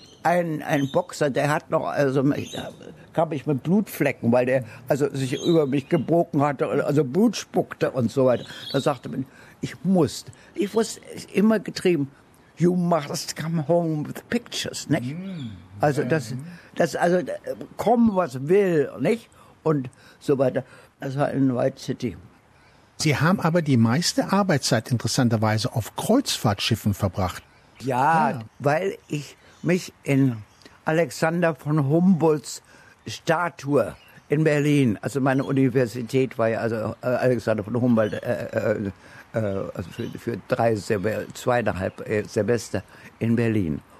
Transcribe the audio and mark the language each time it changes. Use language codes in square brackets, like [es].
[de] ein Boxer, der hat noch, also kam ich mit Blutflecken, weil der also sich über mich gebogen hatte, also Blut spuckte und so weiter. Da sagte man, ich wusste, immer getrieben, [en] you must come home with pictures, [de] nicht? Also das also komm, was will, nicht? Und so weiter. Das war in White City. Sie haben aber die meiste Arbeitszeit interessanterweise auf Kreuzfahrtschiffen verbracht. Ja, weil ich mich in Alexander von Humboldts Statue in Berlin, also meine Universität war ja also Alexander von Humboldt also für zweieinhalb Semester in Berlin.